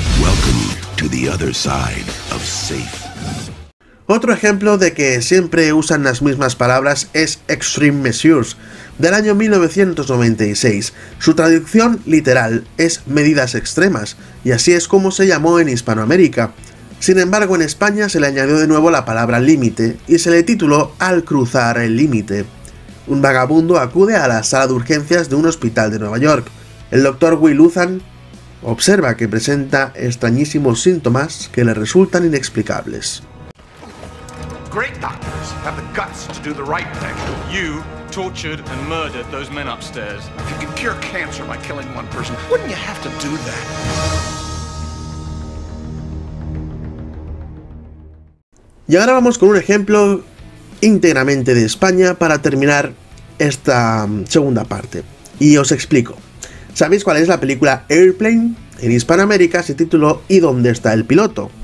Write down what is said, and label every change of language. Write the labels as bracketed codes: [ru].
[en] Welcome to the other side of safe. [es] Otro ejemplo de que siempre usan las mismas palabras es Extreme Measures, del año 1996. Su traducción literal es Medidas Extremas, y así es como se llamó en Hispanoamérica. Sin embargo, en España se le añadió de nuevo la palabra límite y se le tituló Al cruzar el límite. Un vagabundo acude a la sala de urgencias de un hospital de Nueva York. El doctor Will Luthan observa que presenta extrañísimos síntomas que le resultan inexplicables. [en] Great doctors have the guts to do the right thing. You tortured and murdered those men upstairs. If you can cure cancer by killing one person, wouldn't you have to do that? [es] Y ahora vamos con un ejemplo íntegramente de España para terminar esta segunda parte. Y os explico. ¿Sabéis cuál es la película Airplane? En Hispanoamérica se tituló ¿Y dónde está el piloto?